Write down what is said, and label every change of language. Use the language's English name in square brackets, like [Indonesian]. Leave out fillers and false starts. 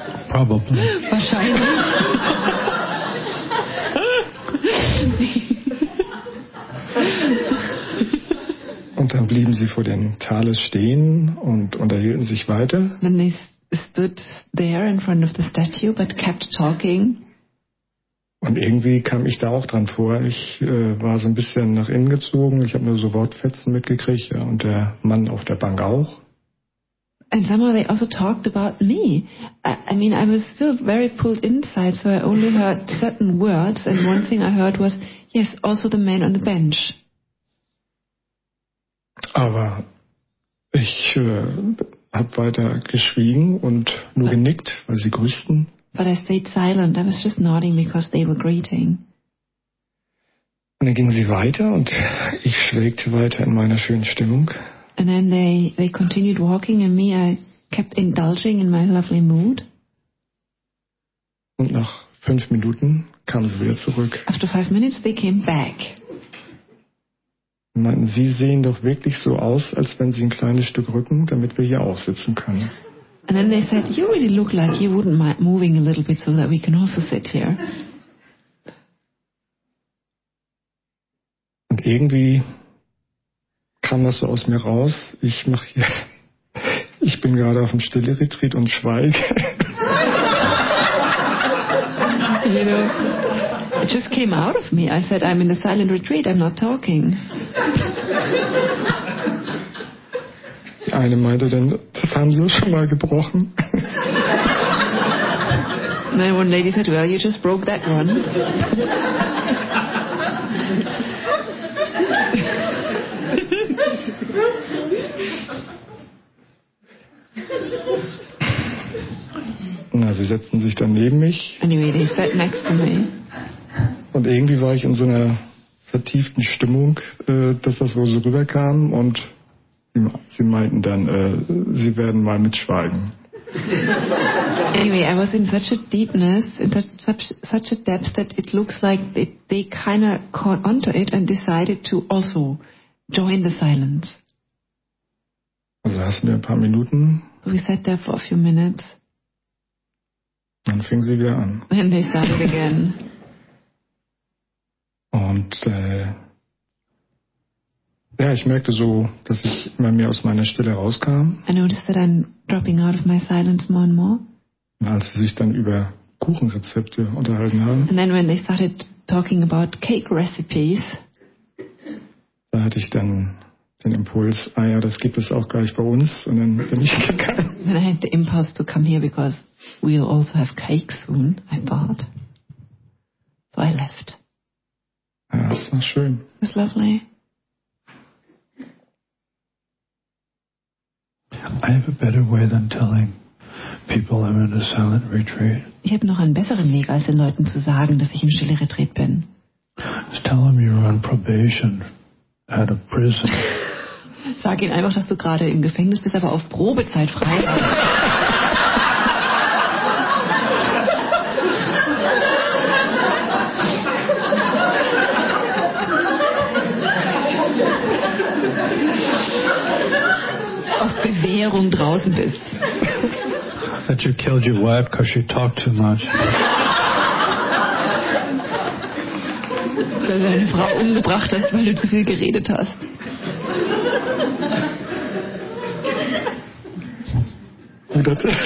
[English] Probably. [German] Wahrscheinlich. Und dann blieben sie vor dem Thales stehen und unterhielten sich weiter. [English] Then they stood there in front of the statue but kept talking. [German] Und irgendwie kam ich da auch dran vor. Ich war so ein bisschen nach innen gezogen. Ich habe nur so Wortfetzen mitgekriegt. Ja, und der Mann auf der Bank auch. [English] And somehow they also talked about me. I mean, I was still very pulled inside, so I only heard certain words. And one thing I heard was, yes, also the man on the bench. [German] Aber ich habe weiter geschwiegen und nur genickt, weil sie grüßten. [English] But I stayed silent. I was just nodding because they were greeting. [German] Und dann gingen sie weiter und ich schwelgte weiter in meiner schönen Stimmung. [English] And then they continued walking and me, I kept indulging in my lovely mood. [German] Und nach 5 Minuten kamen sie wieder zurück. [English] After 5 minutes they came back. [German] Und meinten, sie sehen doch wirklich so aus, als wenn sie ein kleines Stück rücken, damit wir hier auch sitzen können. [English] And then they said, you really look like you wouldn't mind moving a little bit so that we can also sit here. [German] Und irgendwie kam das so aus mir raus. Ich bin gerade auf dem Stille-Retreat und schweige. [English] You know, it just came out of me. I said, I'm in a silent retreat, I'm not talking. [German] Die eine meinte dann, das haben sie schon mal gebrochen. [English] And one lady said, well, you just broke that one. [German] Na, sie setzten sich dann neben mich. [English] Anyway, they sat next to me. [German] Und irgendwie war ich in so einer vertieften Stimmung, dass das wohl so rüberkam. Und sie meinten dann, sie werden mal mitschweigen. [English] Anyway, I was in such a deepness, in such a depth, that it looks like they kind of caught onto it and decided to also join the silence. [German] Also saßen wir ein paar Minuten. [English] So we sat there for a few minutes. [German] Dann fing sie wieder an. [English] And they started again. [German] Und ich merkte so, dass ich immer mehr aus meiner Stille rauskam. [English] I noticed that I'm dropping out of my silence more and more. [German] Und als sie sich dann über Kuchenrezepte unterhalten haben. [English] And then when they started talking about cake recipes. [German] Da hatte ich dann den Impuls, ah ja, das gibt es auch gleich bei uns. Und dann bin ich gegangen. [English] Then I had the impulse to come here because we'll also have cake soon, I thought. So I left. [German] Ja, das war schön. [English] It was lovely. I have a better way than telling people I'm in a silent retreat. [German] Ich habe noch einen besseren Weg, als den Leuten zu sagen, dass ich im stille Retreat bin. [English] Just tell them you're on probation at a prison. [German] Sag ihnen einfach, dass du gerade im Gefängnis bist, aber auf Probezeit frei. Publikum draußen bist. [English] That you killed your wife because she talked too much. [German] Dass du deine Frau umgebracht hast, weil du zu viel geredet hast. Oh Gott.